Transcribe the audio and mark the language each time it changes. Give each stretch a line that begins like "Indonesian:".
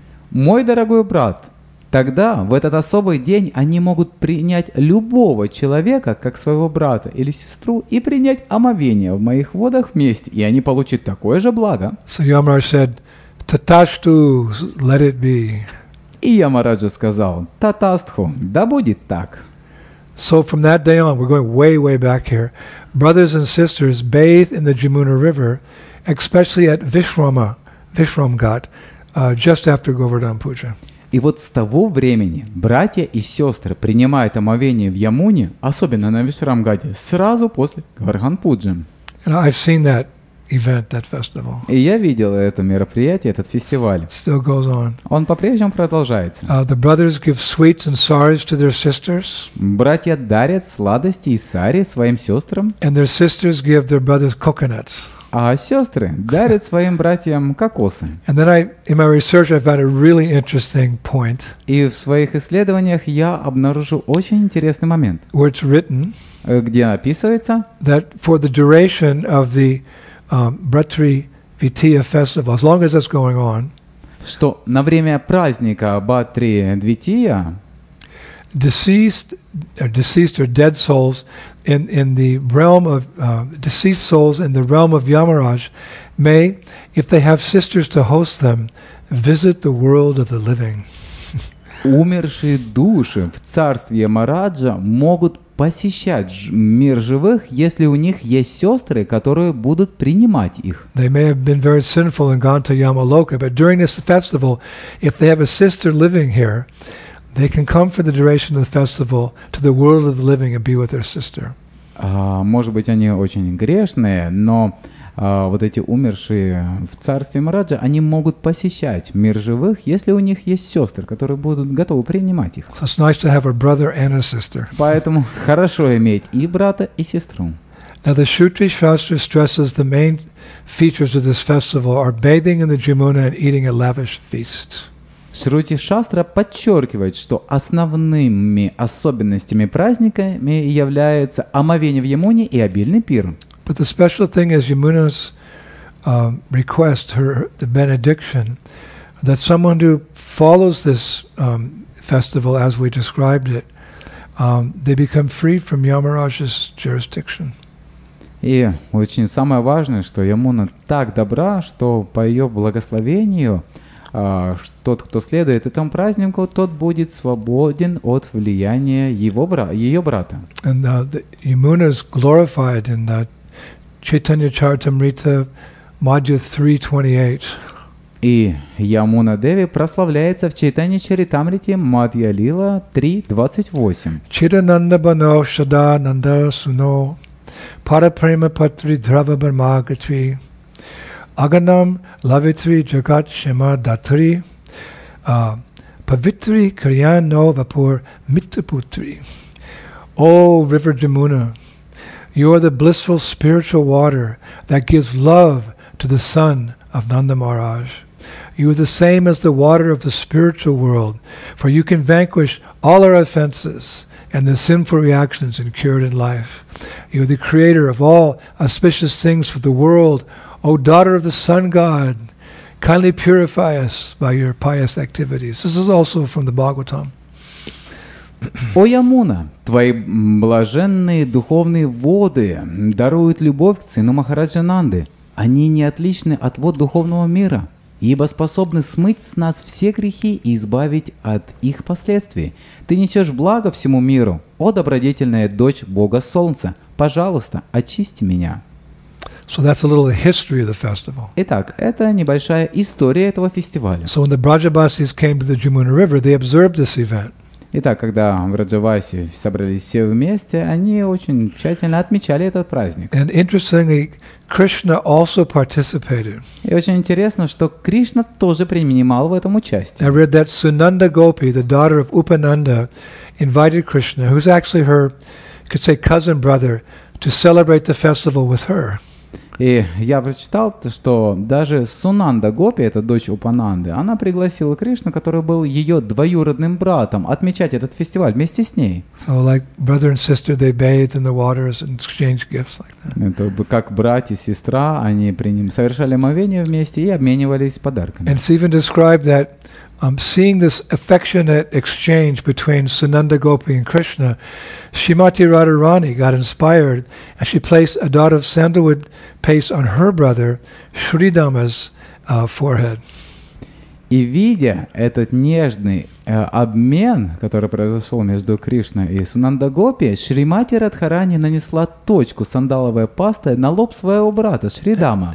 Russian: Мой дорогой брат, тогда, в этот особый день, они могут принять любого человека, как своего брата или сестру, и принять омовение в моих водах вместе, и они получат такое же благо.
English: So Yamaraj said, Таташту, let it be.
Russian: И Ямараджа сказал, Татастху, да будет так.
English: So from that day on, we're going way, way back here, brothers and sisters bathe in the Yamuna River, especially at Vishramghat, just after Govardhan Puja.
Russian: И вот с того времени братья и сестры принимают омовение в Ямуне, особенно на Вишрамгаде, сразу после Говардхан Пуджи.
English: I've seen that event, that festival.
Russian: И я видел это мероприятие, этот фестиваль.
English: Still goes on.
Russian: Он по-прежнему продолжается.
English: The brothers give sweets and saris to their sisters.
Russian: Братья дарят сладости и сари своим сестрам.
English: And their sisters give their brothers coconuts.
Russian: А сестры дарят своим братьям кокосы.
English: And then in my research, I found a really interesting point.
Russian: И в своих исследованиях я обнаружил очень интересный момент,
English: where it's written,
Russian: где описывается,
English: that for the duration of the Bhratri Vitiya festival, as long as it's going on,
Russian: что на время праздника Бхратри Двития,
English: deceased or dead souls in the realm of deceased souls in the realm of Yamaraj may, if they have sisters to host them, visit the world of the living.
Russian: Умершие души в царстве Ямараджа могут посещать мир живых, если у них есть сестры, которые будут принимать их.
English: They may have been very sinful and gone to Yamaloka, but during this festival, if they have a sister living here, they can come for the duration of the festival to the world of the living and be with their sister.
Russian: Может быть, они очень грешные, но вот эти умершие в царстве Мараджа, они могут посещать мир живых, если у них есть сестры, которые будут готовы принимать их.
English: So it's nice to have a brother and a sister.
Russian: Поэтому хорошо иметь и брата, и сестру.
English: Now the Shrutri Shastra stresses the main features of this festival are bathing in the Yamuna and eating a lavish feast.
Russian: Шрути Шастра подчеркивает, что основными особенностями праздника являются омовение в Ямуне и обильный пир.
English: But the special thing is Yamuna's request, the benediction, that someone who follows this festival as we described it, they become freed from Yamaraja's jurisdiction.
Russian: И очень самое важное, что Ямуна так добра, что по ее благословению тот, кто следует этому празднику, тот будет свободен от влияния его ее брата.
English: And the Yamuna is glorified in the Chaitanya Charitamrita module 328.
Russian: И Ямуна Деви прославляется в Чайтанья Чаритамрите Мадья Лила 3.28.
Sanskrit: Чирананда бано шада нанда суно парапрема патри драва барма гатри аганам лавитри джагат шема датри павитри кариян но вапур митапутри.
English: О, River Yamuna, you are the blissful spiritual water that gives love to the son of Nanda Maharaj. You are the same as the water of the spiritual world, for you can vanquish all our offenses and the sinful reactions incurred in life. You are the creator of all auspicious things for the world. O daughter of the sun god, kindly purify us by your pious activities. This is also from the Bhagavatam.
Russian: О, Ямуна, твои блаженные духовные воды даруют любовь к сыну Махараджа Нанды. Они не отличны от вод духовного мира, ибо способны смыть с нас все грехи и избавить от их последствий. Ты несешь благо всему миру, о добродетельная дочь Бога Солнца. Пожалуйста, очисти меня.
English: So that's a little history of the festival.
Russian: Итак, это небольшая история этого фестиваля.
English: So when the Brajabasis came to the Yamuna River, they observed this event.
Russian: Итак, когда в Раджаваси собрались все вместе, они очень тщательно отмечали этот праздник.
English: And interestingly, Krishna also participated.
Russian: И очень интересно, что Кришна тоже принимал в этом участие.
English: I read that Sunanda Gopi, the daughter of Upananda, invited Krishna, who's actually her, you could say, cousin brother, to celebrate the festival with her.
Russian: И я прочитал, что даже Сунанда Гопи, это дочь Упананды, она пригласила Кришну, который был ее двоюродным братом, отмечать этот фестиваль вместе с ней.
English: So like brother and sister, they bathed in the waters and exchanged gifts like that.
Russian: Это как братья и сестра, они при нем совершали омовение вместе и обменивались подарками.
English: And it's even described that seeing this affectionate exchange between Sunanda Gopi and Krishna, Srimati Radharani got inspired and she placed a dot of sandalwood paste on her brother Shridama's forehead.
Russian: И видя этот нежный обмен, который произошел между Кришной и Сунанда Гопи, Шримати Радхарани нанесла точку сандаловой пастой на лоб своего брата Шридама.